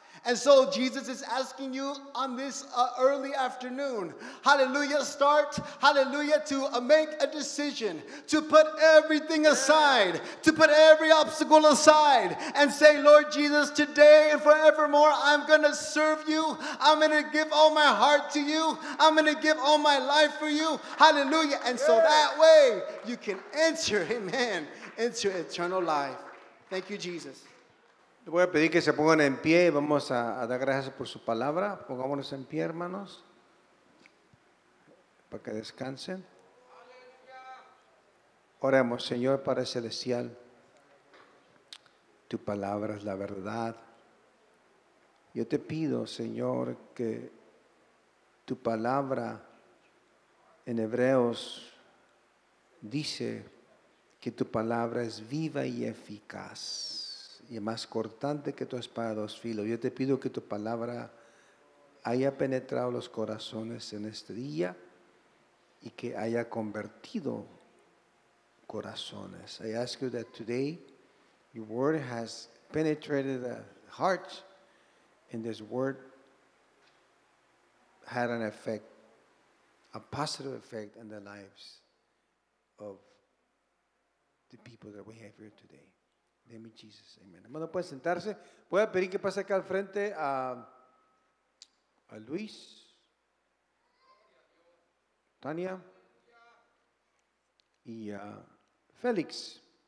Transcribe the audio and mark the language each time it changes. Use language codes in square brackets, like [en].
[en] And so Jesus is asking you on this early afternoon, hallelujah, start, hallelujah, to make a decision to put everything aside, to put every obstacle aside and say, Lord Jesus, today and forevermore, I'm going to serve you. I'm going to give all my heart to you. I'm going to give all my life for you. Hallelujah. And so that way you can enter, amen, into eternal life. Thank you, Jesus. [es] Voy a pedir que se pongan en pie y vamos a dar gracias por su palabra. Pongámonos en pie, hermanos, para que descansen. Oremos. Señor Padre Celestial, tu palabra es la verdad. Yo te pido, Señor, que tu palabra en Hebreos dice que tu palabra es viva y eficaz y más cortante que tu espada de dos filos. Yo te pido que tu palabra haya penetrado los corazones en este día y que haya convertido corazones. [en] I ask you that today your word has penetrated the hearts, and this word had an effect, a positive effect in the lives of the people that we have here today. [es] Amen, Jesus. Amen. Bueno, pueden sentarse. Voy a pedir que pase acá al frente a Luis, Tania y a Félix.